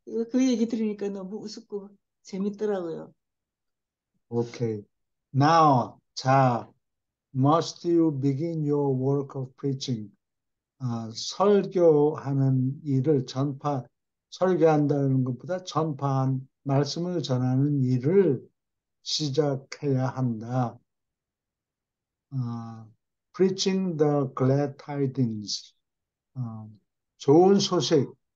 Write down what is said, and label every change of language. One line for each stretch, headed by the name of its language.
Korean: 그 얘기 들으니까 너무 우습고 재밌더라고요. 오케이.
English: Now,
Korean: 자,
English: must you begin your work of preaching?
Korean: 설교하는 일을 설교한다는 것보다 전파한 말씀을 전하는 일을 시작해야 한다.
English: Preaching the glad tidings.
Korean: 좋은 소식.